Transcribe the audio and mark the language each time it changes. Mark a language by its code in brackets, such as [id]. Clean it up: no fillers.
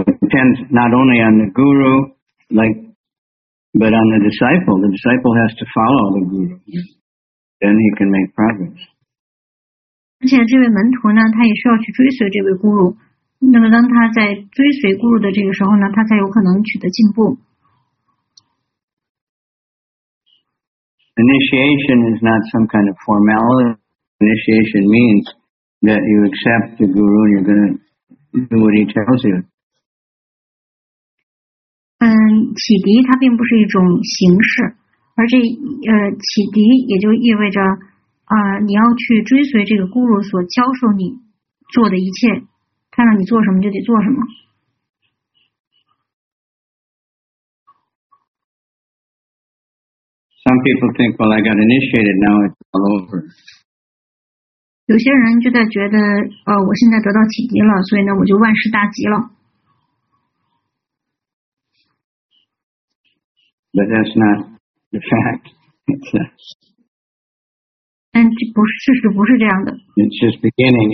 [en] Depends not only on the guru, but on the disciple. The disciple has to follow the guru, then he can make progress. [zh] 而且这位门徒呢，他也需要去追随这位 guru。那么当他在追随 guru 的这个时候呢，他才有可能取得进步。 [en] Initiation is not some kind of formality. Initiation means that you accept the guru and you're going to do what he tells you. [zh] 启迪它并不是一种形式，而这启迪也就意味着你要去追随这个咕噜所教授你做的一切，他让你做什么就得做什么。 [en] Some people think, well, I got initiated, now it's all over. [zh] 有些人就在觉得我现在得到启迪了，所以呢我就万事大吉了。 [en] But that's not the fact. It's just beginning.